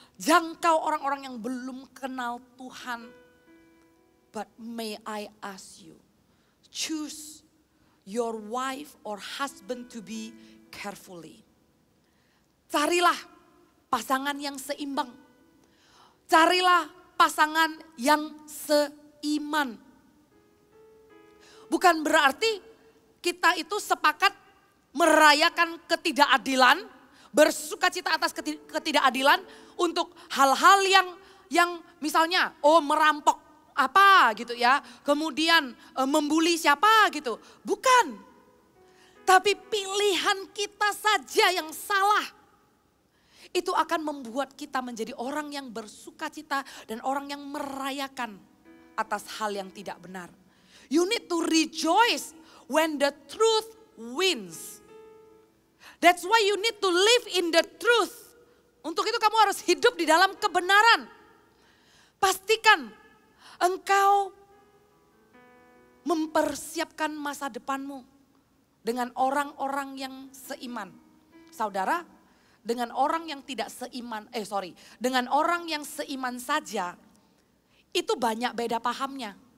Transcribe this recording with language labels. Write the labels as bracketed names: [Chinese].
[Indonesian] Jangkau orang-orang yang belum kenal Tuhan. [English] But may I ask you, choose your wife or husband to be carefully. [Indonesian] Carilah pasangan yang seimbang. Carilah pasangan yang seiman. Bukan berarti kita itu sepakat merayakan ketidakadilan, bersuka cita atas ketidakadilan untuk hal-hal yang misalnya, oh merampok apa gitu ya, kemudian membuli siapa gitu. Bukan, tapi pilihan kita saja yang salah. Itu akan membuat kita menjadi orang yang bersuka cita dan orang yang merayakan atas hal yang tidak benar. [English] You need to rejoice when the truth wins. That's why you need to live in the truth. [Indonesian] Untuk itu kamu harus hidup di dalam kebenaran. Pastikan engkau mempersiapkan masa depanmu dengan orang-orang yang seiman. Saudara, dengan orang yang tidak seiman, dengan orang yang seiman saja, itu banyak beda pahamnya.